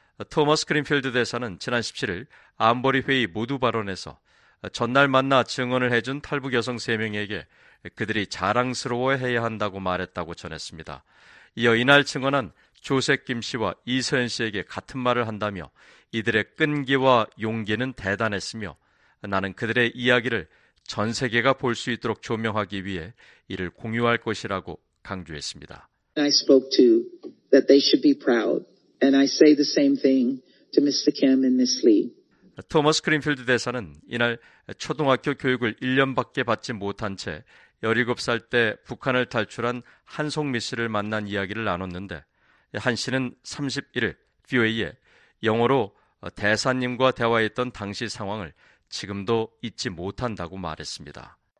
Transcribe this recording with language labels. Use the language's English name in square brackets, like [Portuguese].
[Korean] 토마스 그린필드 대사는 지난 17일 안보리 회의 모두 발언에서 전날 만나 증언을 해준 탈북 여성 3명에게 그들이 자랑스러워해야 한다고 말했다고 전했습니다. 이어 이날 증언한 조셉 김 씨와 이서연 씨에게 같은 말을 한다며 이들의 끈기와 용기는 대단했으며 나는 그들의 이야기를 전 세계가 볼 수 있도록 조명하기 위해 이를 공유할 것이라고 강조했습니다. [English] I spoke to that they should be proud and I say the same thing to Mr. Kim and Ms. Lee. [Korean] 토머스 그린필드 대사는 이날 초등학교 교육을 1년밖에 받지 못한 채 17살 때 북한을 탈출한 한송미 씨를 만난 이야기를 나눴는데 한 씨는 31일 VOA에 영어로 대사님과 대화했던 당시 상황을 지금도 잊지 못한다고 말했습니다.